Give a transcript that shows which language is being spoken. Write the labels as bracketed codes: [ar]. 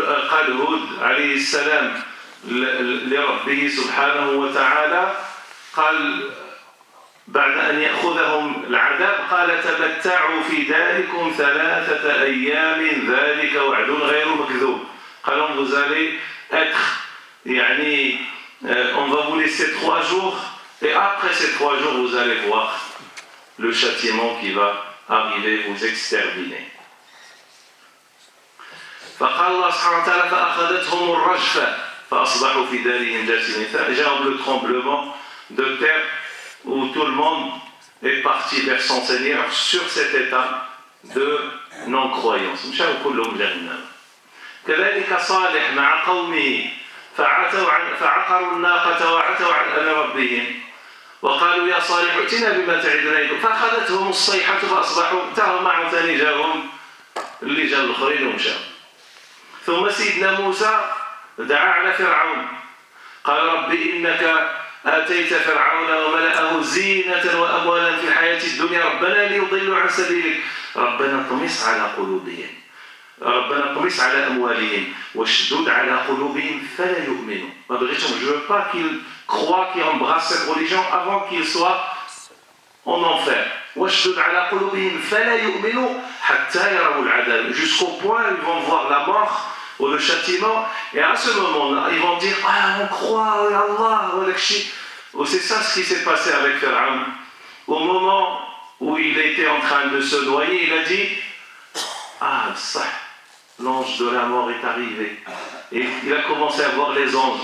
[ar] قال هود عليه السلام لربه سبحانه وتعالى قال بعد أن يأخذهم العذاب قال تمتعوا في داركم ثلاثة أيام ذلك وعد غير مكذوب. [fr] قال vous allez être يعني on va vous laisser trois jours et après ces trois jours vous allez voir le châtiment qui va arriver vous exterminer. [ar] فقال الله سبحانه وتعالى فأخذتهم الرجفة فأصبحوا في دارهم جاثمين. [fr] جاب le tremblement de terre où tout le monde est parti vers son Seigneur sur cet état de non-croyance. [ar] مشاو كلهم جهنم. كذلك صالح مع قومه فعقروا الناقة وعتوا عن أمر ربهم وقالوا يا صالح ائتنا بما تعدنا إن كنت. فأخذتهم الصيحة فأصبحوا تهم معهم ثاني جاهم اللي جا الآخرين ومشاو. ثم سيدنا موسى دعا على فرعون قال رب إنك آتيت فرعون وملأه زينة وأموالا في الحياة الدنيا ربنا ليضلوا عن سبيلك. ربنا طمس على قلوبهم ربنا طمس على أموالهم واشدد على قلوبهم فلا يؤمنوا. ما بغيتهم [fr] je veux pas qu'ils croient qu'ils embrassent cette religion avant qu'ils soient en enfer. [ar] واشدد على قلوبهم فلا يؤمنوا حتى يروا العذاب. [fr] Jusqu'au point ils vont voir la mort ou le châtiment, et à ce moment-là, ils vont dire « Ah, on croit, oh Allah, oh Lakshi !» C'est ça ce qui s'est passé avec Pharaon. Au moment où il était en train de se noyer, il a dit « Ah, ça, l'ange de la mort est arrivé. » Et il a commencé à voir les anges.